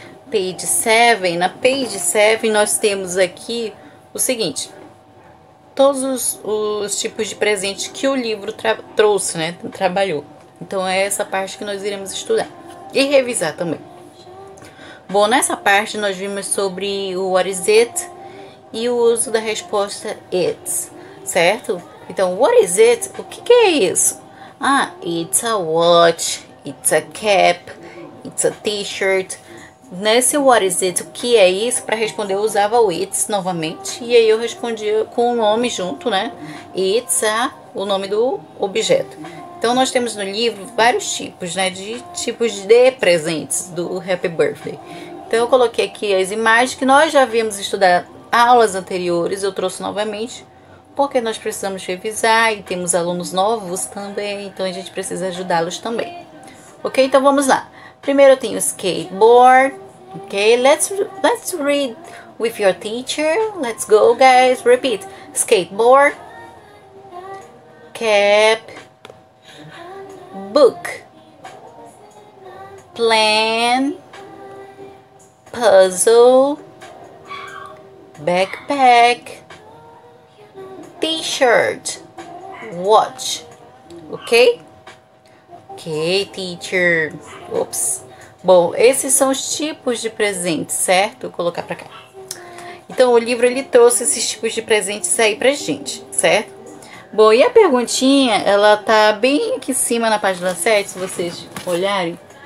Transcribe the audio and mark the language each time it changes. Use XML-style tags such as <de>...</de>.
<en>Page 7,</en> <pt>na</pt> <en>page 7</en> <pt>nós temos aqui o seguinte, todos os tipos de presentes que o livro trouxe, né, trabalhou. Então é essa parte que nós iremos estudar e revisar também. Bom, nessa parte nós vimos sobre o</pt> <en>what is it</en> <pt>e o uso da resposta it, certo? Então,</pt> <en>what is it?</en> <pt>O que é isso?</pt> <en>Ah, it's a watch, it's a cap, it's a t-shirt.</en> <pt>Nesse</pt> <en>what is it,</en> <pt>o que é isso? Para responder, eu usava o</pt> <en>it's</en> <pt>novamente. E aí eu respondia com o nome junto, né?</pt> <en>It's a,</en> <pt>o nome do objeto. Então, nós temos no livro vários tipos, né? De tipos de presentes do Happy Birthday. Então, eu coloquei aqui as imagens que nós já havíamos estudado aulas anteriores. Eu trouxe novamente, porque nós precisamos revisar e temos alunos novos também. Então, a gente precisa ajudá-los também. Ok? Então, vamos lá. Primeiro tem o skateboard, ok?</pt> <en>Let's read with your teacher. Let's go, guys. Repeat. Skateboard, cap, book, plan, puzzle, backpack, t-shirt, watch, ok? Ok, teacher. Ops.</en> <pt>Bom, esses são os tipos de presentes, certo? Vou colocar pra cá. Então, o livro, ele trouxe esses tipos de presentes aí pra gente, certo? Bom, e a perguntinha, ela tá bem aqui em cima na página 7, se vocês olharem.</pt>